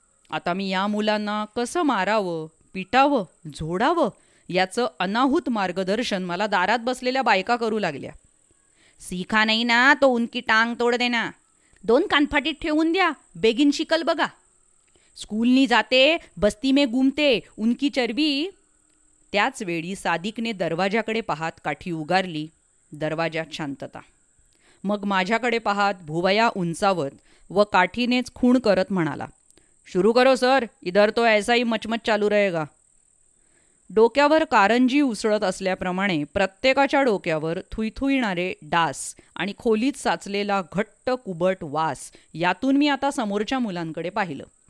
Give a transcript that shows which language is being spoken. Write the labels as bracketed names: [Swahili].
[Marathi] आता मी या मुलांना कसं मारावं, पिटावं, झोडावं याचं अनाहूत मार्गदर्शन मला दारात बसलेल्या बायका करू लागल्या. [Hindi] सीखा नाही ना तो उनकी टांग तोड देना, [Marathi] दोन कानफाटीत ठेवून द्या, बेगीन शिकल बघा. [Hindi] स्कूलनी जाते, बस्ती में घुमते, उनकी चरबी. [Marathi] त्याच वेळी सादिकने दरवाजाकडे पाहत काठी उगारली. दरवाजात शांतता. मग माझ्याकडे पाहत भुवया उंचावत व काठीनेच खूण करत म्हणाला, [Hindi] शुरू करो सर, इधर तो ऐसाही मचमच चालू रहेगा. [Marathi] डोक्यावर कारंजी उसळत असल्याप्रमाणे प्रत्येकाच्या डोक्यावर थुईथुईणारे डास आणि खोलीत साचलेला घट्ट कुबट वास यातून मी आता समोरच्या मुलांकडे पाहिलं.